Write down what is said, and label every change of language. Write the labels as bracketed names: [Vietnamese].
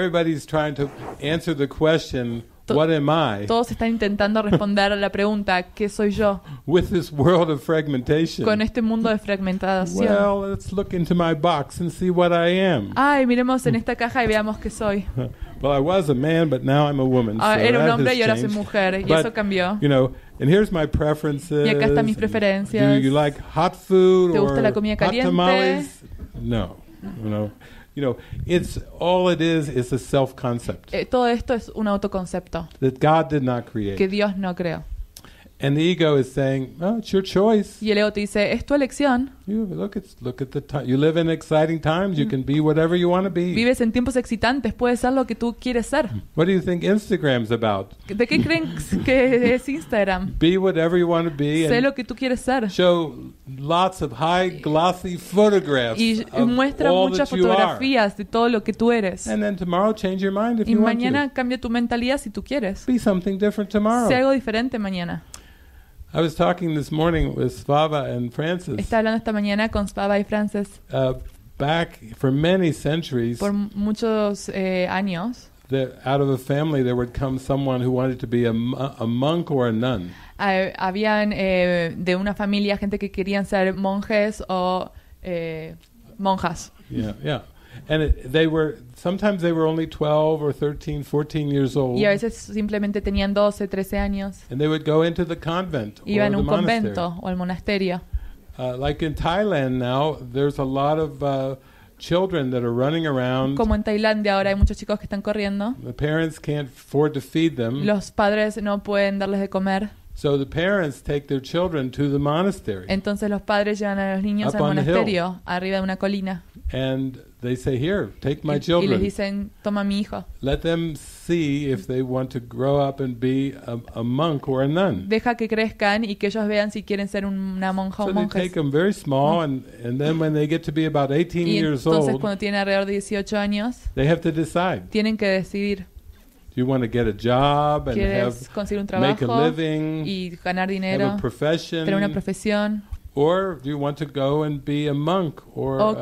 [English] Everybody's trying to answer the question, what am I? [Spanish] Todos están intentando responder a la pregunta, ¿qué soy yo? [English] With this world of fragmentation. [Spanish] Con este mundo de fragmentación. [English] Well, let's look into my box and see what I am. [Spanish] Ay, miremos en esta caja y veamos qué soy. [English] Well, I was a man, but now I'm a woman. [Spanish] Era un hombre y ahora soy mujer, y eso cambió. [English] You know, and here's my preferences. [Spanish] Y acá están mis preferencias. [English] Do you like hot food or hot tamales? No. You know, it's all it is a self-concept. [Spanish] Todo esto es un autoconcepto. [English] That God did not create. [Spanish] Que Dios no creó. [English] And the ego is saying, "Oh, it's your choice." [Spanish] Y el ego te dice, es tu elección. [English] Look at the time. You live in exciting times. You can be whatever you want to be. [Spanish] Vives en tiempos excitantes. Puedes ser lo que tú quieres ser. [English] What do you think Instagram's about? [Spanish] ¿De qué creen que es Instagram? [English] Be whatever you want to be. [Spanish] Sé lo que tú quieres ser. [English] Show lots of high glossy photographs. [Spanish] Y muestra muchas fotografías de todo lo que tú eres. [English] And then tomorrow change your mind if you want to. [Spanish] Y mañana cambia tu mentalidad si tú quieres. [English] Be something different tomorrow. [Spanish] Sé algo diferente mañana. [English] I was talking this morning with Svava and Francis. [Spanish] Estaba hablando esta mañana con Svava y Francis. [English] Back for many centuries. [Spanish] Por muchos años. [English] That out of a family there would come someone who wanted to be a monk or a nun. [Spanish] Habían de una familia gente que querían ser monjes o monjas. [English] Yeah. And sometimes they were only 12 or 13, 14 years old. [Spanish] Y a veces simplemente tenían 12, 13 años. [English] And they would go into the convent or the [Spanish] convento o el monasterio. [English] Like in Thailand now, there's a lot of children that are running around. [Spanish] Como en Tailandia ahora hay muchos chicos que están corriendo. [English] The parents can't afford to feed them. [Spanish] Los padres no pueden darles de comer. [English] So the parents take their children to the monastery. [Spanish] Entonces los padres llevan a los niños al monasterio, arriba de una colina. [English] And they say, "Here, take my children." [Spanish] Y les dicen, "Toma mi hijo." [English] Let them see if they want to grow up and be a monk or a nun. [Spanish] Deja que crezcan y que ellos vean si quieren ser una monja o monjes. [English] So they take them very small, and then when they get to be about 18 years old, [Spanish] entonces cuando tienen alrededor de 18 años, [English] they have to decide. [Spanish] Tienen que decidir. [English] You want to get a job and [Spanish] conseguir un trabajo, [English] make a living, [Spanish] y ganar dinero, [English] have a profession, [Spanish] tener una profesión, [English] or do you want to go and be a monk or